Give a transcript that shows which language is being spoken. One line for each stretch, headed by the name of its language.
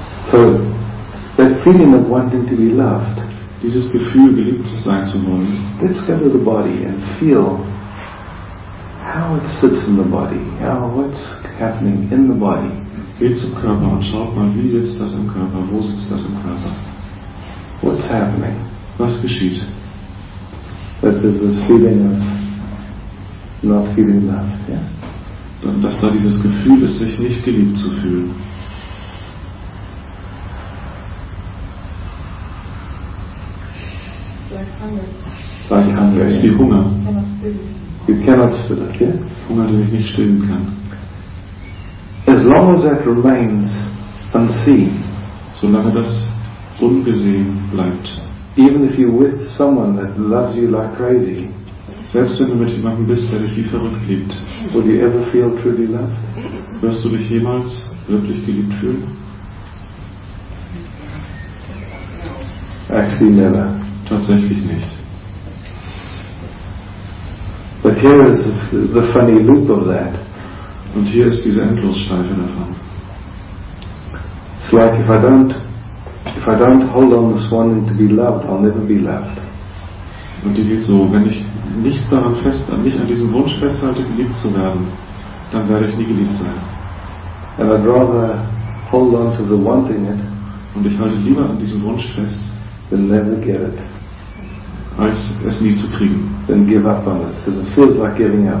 English: So, that feeling of wanting to be loved,
German: dieses Gefühl, geliebt zu sein zu wollen,
English: let's go to the body and feel how it sits in the body, how what's happening in the body.
German: Geht zum Körper und schaut mal, wie sitzt das im Körper, wo sitzt das im Körper.
English: What's happening?
German: Was geschieht?
English: That there's this feeling of not feeling loved, yeah?
German: Dann, dass da dieses Gefühl ist, sich nicht geliebt zu fühlen. Weil sie hungrig ist, wie Hunger.
English: You cannot spill it, yeah?
German: Hunger, den ich nicht stillen kann.
English: As long as that remains unseen,
German: solange das ungesehen bleibt,
English: even if you're with someone that loves you like crazy,
German: selbst wenn du mit jemandem bist, der dich wie verrückt liebt,
English: will you ever feel truly loved?
German: Wirst du dich jemals wirklich geliebt fühlen?
English: Actually never.
German: Tatsächlich nicht.
English: But here is the funny loop of that.
German: Und hier ist diese Endlosschleife davon.
English: It's like if I don't hold on this wanting to be loved, I'll never be loved.
German: Und die geht so, wenn ich nicht daran fest, nicht an diesem Wunsch festhalte, geliebt zu werden, dann werde ich nie geliebt sein.
English: And I'd rather hold on to the wanting it.
German: Und ich halte lieber an diesem Wunsch fest,
English: than never get it.
German: Als es nie zu kriegen.
English: Then give up on it, because it feels like giving up.